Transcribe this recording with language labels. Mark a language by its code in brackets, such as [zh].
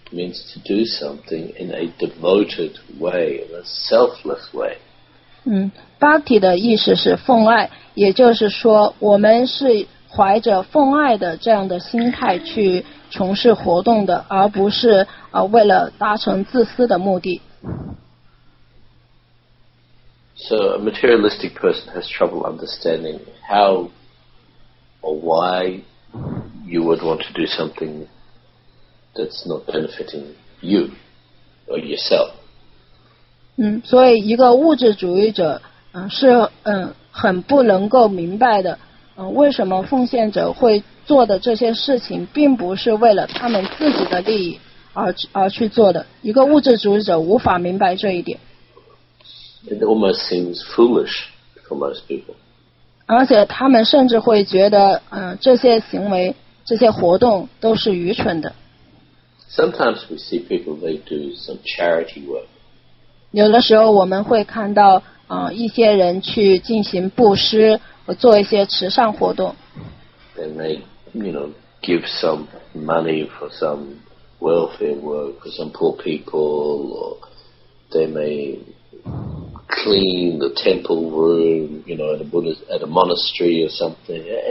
[en] Means to do something in a devoted way, in a selfless way. [zh] Bhakti 的意思是奉爱，也就是说，我们是怀着奉爱的这样的心态去从事活动的，而不是为了达成自私的目的。 [en] So a materialistic person has trouble understanding how or why you would want to do something. That's not benefiting you or yourself. [zh] 所以一个物质主义者是很不能够明白的，为什么奉献者会做的这些事情并不是为了他们自己的利益而去做的。一个物质主义者无法明白这一点。 [en] It almost seems foolish for most people. [zh] 而且他们甚至会觉得这些行为这些活动都是愚蠢的。 [en] Sometimes we see people, they do some charity work. [zh] 有的时候我们会看到一些人去进行布施和做一些慈善活动。 [en] Then they, you know, give some money for some welfare work, for some poor people, or they may clean the temple room, you know, at a monastery or something.